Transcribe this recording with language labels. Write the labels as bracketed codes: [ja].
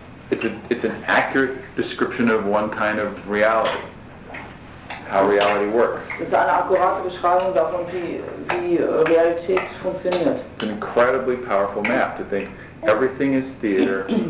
[en] It's an accurate description of one kind of reality. How reality works. [de] Das ist eine akkurate Beschreibung davon, wie Realität funktioniert. [en] It's an incredibly powerful map to think everything is theater.